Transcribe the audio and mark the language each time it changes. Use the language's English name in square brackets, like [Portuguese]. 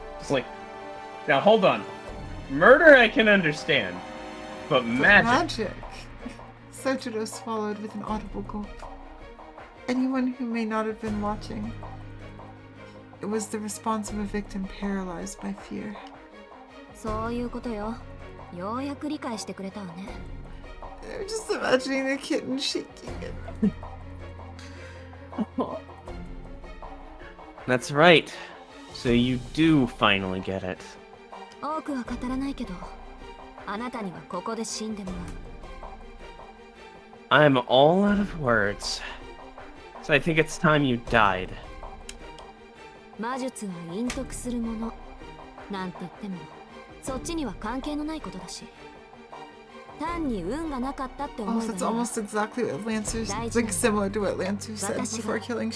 [English] Like, now hold on. Murder I can understand, but magic. Magic? Sojiro swallowed with an audible gulp. Anyone who may not have been watching, it was the response of a victim paralyzed by fear. [Japanese] そういうことよ。ようやく理解してくれたわね。 [English] I'm just imagining the kitten shaking it. That's right. So you do finally get it. [Japanese] Aoku は語らないけど、あなたにはここで死んでもらう。 [English] I'm all out of words. So I think it's time you died. [Japanese] 魔術は陰徳するもの。なんて言っても、そっちには関係のないことだし。単に運がなかったって思うのは。 [English] That's almost exactly what Lancer said. It's like similar to what Lancer said before killing Shira.